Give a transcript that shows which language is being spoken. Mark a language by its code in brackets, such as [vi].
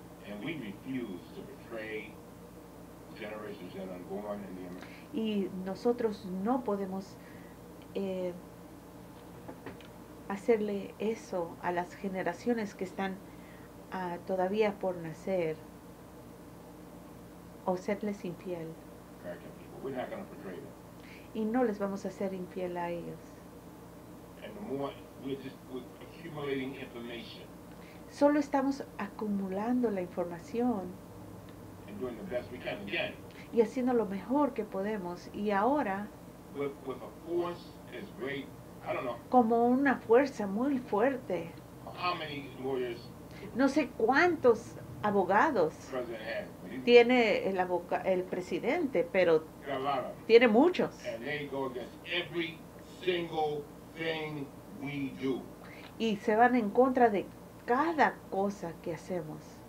[en] And we refuse to betray generations that are born in the American. [es] Y nosotros no podemos hacerle eso a las generaciones que están todavía por nacer o serles infiel. [en] We're not going to betray them. [es] Y no les vamos a ser infiel a ellos. [en] And the more we're accumulating information. [es] Solo estamos acumulando la información. [en] And doing the best we can again. [es] Y haciendo lo mejor que podemos. Y ahora, [en] with a force as great, I don't know, [es] como una fuerza muy fuerte. [en] How many lawyers, [es] no sé cuántos abogados tiene el presidente, pero tiene muchos. [en] And they go against every single thing we do. [es] Y se van en contra de cada cosa que hacemos.